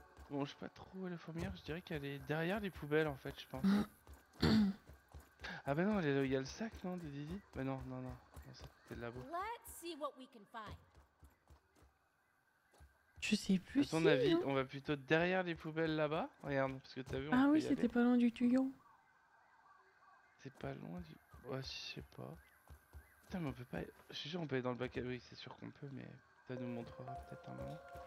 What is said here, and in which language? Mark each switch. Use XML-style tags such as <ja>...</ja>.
<fr>Bon, je sais pas trop où est la fourmière, je dirais qu'elle est derrière les poubelles en fait, je pense. Ah bah non, il y a le sac, non, de Didi ? Bah non, non, non.</fr> <en>Let's see what we can find.</en> <fr>Je sais plus. À ton avis, on va plutôt derrière les poubelles là-bas. Regarde, parce que t'as vu. Ah oui, c'était pas loin du tuyau. C'est pas loin du. Ouais, je sais pas. Putain, mais on peut pas. Je suis sûr, on peut aller dans le bac à. Oui, c'est sûr qu'on peut, mais ça nous montrera peut-être un moment.</fr>